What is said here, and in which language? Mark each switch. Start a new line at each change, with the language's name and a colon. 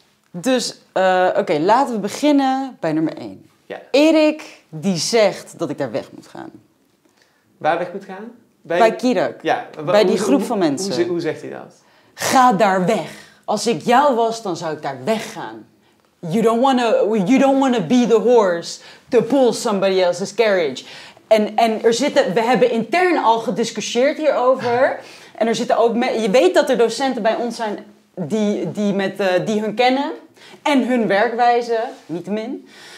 Dutch: Dus, laten we beginnen bij nummer 1. Ja. Erik, die zegt dat ik daar weg moet gaan. Waar weg moet gaan? Bij Kirak. Ja. Bij die groep van mensen. Hoe zegt hij dat? Ga daar weg. Als ik jou was, dan zou ik daar weggaan.
English: You don't wanna be the horse to pull somebody else's carriage.
Dutch: En er zitten, we hebben intern al gediscussieerd hierover. En er zitten ook, je weet dat er docenten bij ons zijn die hun kennen en hun werkwijze, niettemin.